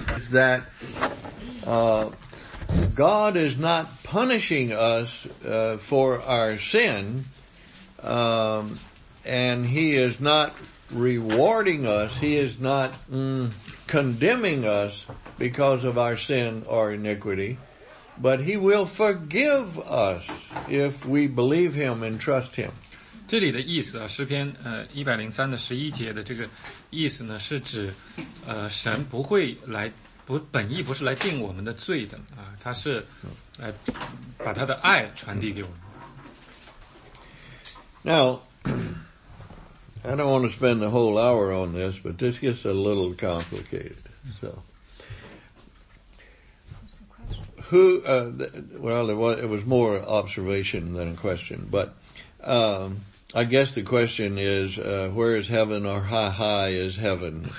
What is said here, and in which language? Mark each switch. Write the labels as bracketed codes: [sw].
[en] That God is not punishing us for our sin, and He is not rewarding us. He is not condemning us because of our sin or iniquity, but He will forgive us if we believe Him and trust Him. [zh] 这里的意思啊，诗篇103的11节的这个意思呢，是指神不会来，本意不是来定我们的罪的啊，他是来把他的爱传递给我们。 [en] Now, I don't want to spend the whole hour on this, but this gets a little complicated. So, who? It was more observation than a question, but I guess the question is, where is heaven, or how high is heaven?